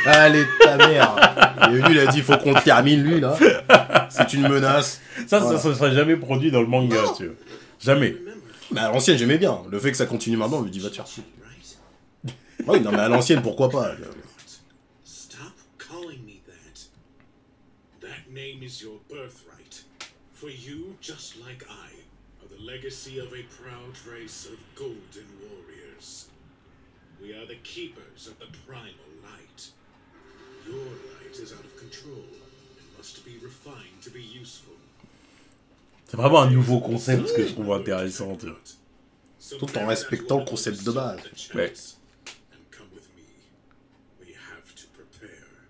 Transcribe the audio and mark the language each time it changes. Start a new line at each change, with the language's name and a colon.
French: Allez, ta mère. Lui, il a dit, faut qu'on termine, lui, là. C'est une menace. Ça, voilà. Ça serait jamais produit dans le manga, non. Tu vois. Jamais. Mais à l'ancienne, j'aimais bien. Le fait que ça continue maintenant, on lui dit, va te faire chier. Oui, non, mais à l'ancienne, pourquoi pas.
English: Stop calling me that. That name is your birthright. For you, just like I. Legacy of a proud race of golden warriors. We are the keepers of the primal light. Your light is out of control and must be refined to be useful.
French: C'est vraiment un nouveau concept que je trouve intéressant. Tout en respectant le concept de base.
English: Ouais. And come with me. We have to prepare.